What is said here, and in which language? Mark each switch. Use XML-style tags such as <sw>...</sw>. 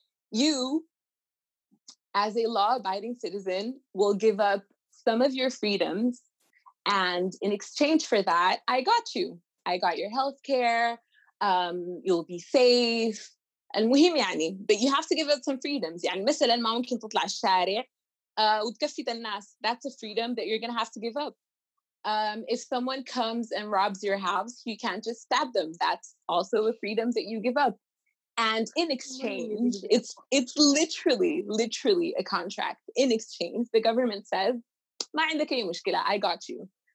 <en>you, as a law-abiding citizen, will give up some of your freedoms, and in exchange for that, I got you. I got your healthcare. You'll be safe. And</en> <ar>مهم يعني,</ar> <en>but you have to give up some freedoms.</en> <ar>يعني مثلا ما ممكن تطلع الشارع وتكفي الناس.</ar> <en>That's a freedom that you're gonna have to give up. If someone comes and robs your house, you can't just stab them. That's also a freedom that you give up. And in exchange, it's literally a contract. In exchange, the government says,</en> <ar>ما عندك أي مشكلة,</ar> <en>I got you.</en>